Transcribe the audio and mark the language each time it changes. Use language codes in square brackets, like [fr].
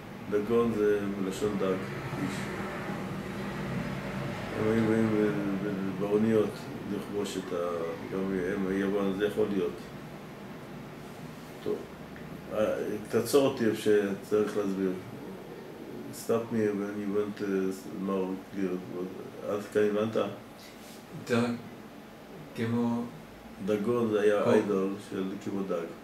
[he] דגון זה מלשון דג, איש. הם היו באים באוניות לכבוש את ה... גם הם היוון, זה יכול להיות. טוב. תעצור אותי איפה שצריך להסביר. [en] Stop me when you want more clear. [he] אז כאן הבנת? דג, כמו... דגון זה היה איידול של כמו דג.